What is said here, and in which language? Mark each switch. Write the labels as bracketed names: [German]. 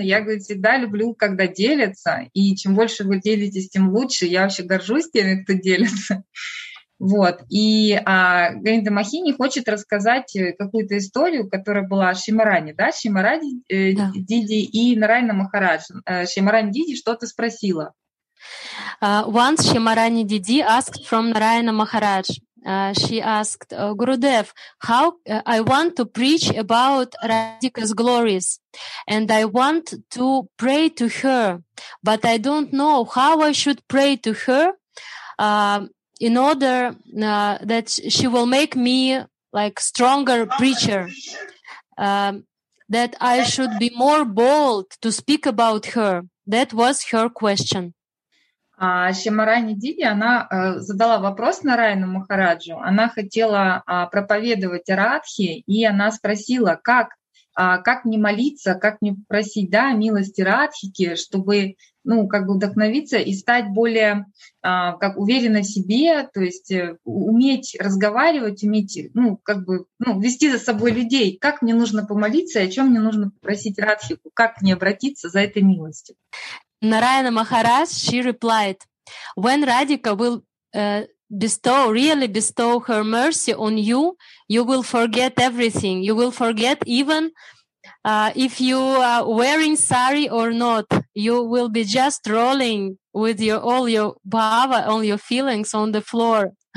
[Russian] Я, говорит, всегда люблю, когда делятся. И чем больше вы делитесь, тем лучше. Я вообще горжусь теми, кто делится. Вот. И Говинда Махини хочет рассказать какую-то историю, которая была о Шримарани, да? Шримарани Диди и Нарайана Махараджа. Шримарани Диди что-то спросила. [English] Once Shyamarani Didi asked from Narayana Maharaj, she asked, Gurudev, how I want to preach about Radhika's glories, and I want to pray to her, but I don't know how I should pray to her in order that she will make me like stronger preacher, that I should be more bold to speak about her. That was her question. [Russian] А Шримарани Диди, она задала вопрос Нараяну Махараджу. Она хотела проповедовать Радхи, и она спросила, как мне молиться, как мне просить, да, милости Радхики, чтобы, ну, как бы вдохновиться и стать более как уверенной в себе, то есть уметь разговаривать, уметь, ну, как бы, ну, вести за собой людей. Как мне нужно помолиться, и о чем мне нужно попросить Радхику, как мне обратиться за этой милостью? [English] Narayana Maharaj, she replied, when Radhika will really bestow her mercy on you, you will forget everything. You will forget even if you are wearing sari or not. You will be just rolling with all your bhava, all your feelings on the floor.